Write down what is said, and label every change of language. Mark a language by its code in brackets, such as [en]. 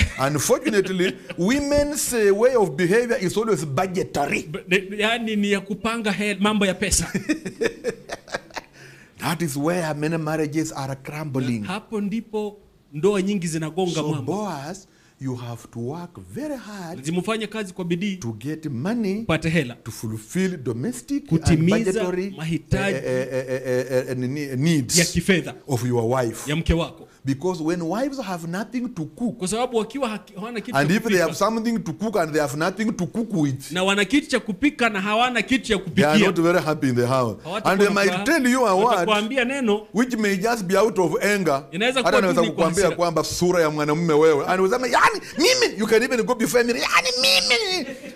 [en] Unfortunately, women's way of behavior is always budgetary. [sw] Yani ni ya kupanga mambo ya pesa. [en] That is where many marriages are crumbling. [sw] Hapo ndipo ndoa nyingi zinagonga mwamba. [en] So Boaz, you have to work very hard. [sw] Zimufanya kazi kwa bidii [en] to get money. [sw] Pate hela. [en] To fulfill domestic [sw] kutimiza [en] and budgetary [sw] mahitaji [en] needs [sw] ya kifedha [en] of your wife. [sw] Ya mke wako. [en] Because when wives have nothing to cook, [sw] kwa sababu wakiwa hawana kitu, [en] and if they have something to cook and they have nothing to cook with, [sw] na wana kitu cha kupika na hawana kitu cha kupikia, [en] they are not very happy in the house. And they might tell you a word which may just be out of anger. [sw] Hata naweza kukuambia kwamba sura ya mwanamume wewe, and unasema yani mimi, [en] you can even go before me, [sw] yani mimi.